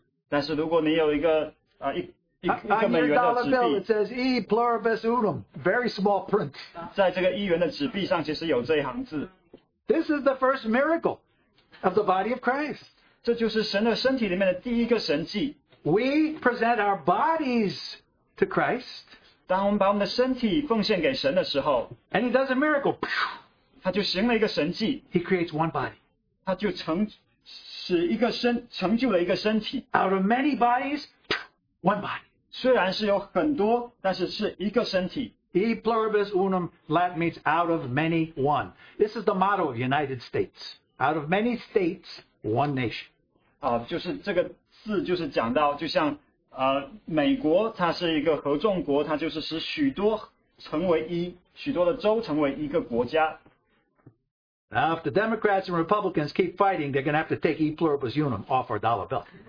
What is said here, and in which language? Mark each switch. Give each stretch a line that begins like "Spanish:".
Chinese: 但是如果你有一个一个美元的纸币，
English: it says E pluribus unum, very small print.
Chinese: 在这个一元的纸币上，其实有这一行字。
English: This is the first miracle of the body of Christ.
Chinese: 这就是神的身体里面的第一个神迹。
English: We present our bodies to Christ.
Chinese: 当我们把我们的身体奉献给神的时候，
English: and He does a miracle.
Chinese: 他就行了一个神迹。
English: He creates one body.
Chinese: 他就成就了一个身体。
English: Out of many bodies, one body.
Chinese: 虽然是有很多，但是是一个身体。
English: E pluribus unum, Latin means out of many, one. This is the motto of the United States. Out of many states, one nation.
Chinese: 就是这个字就是讲到就像美国它是一个合众国，它就是使许多成为一，许多的州成为一个国家。
English: Now if the Democrats and Republicans keep fighting, they're going to have to take E pluribus unum off our dollar bill.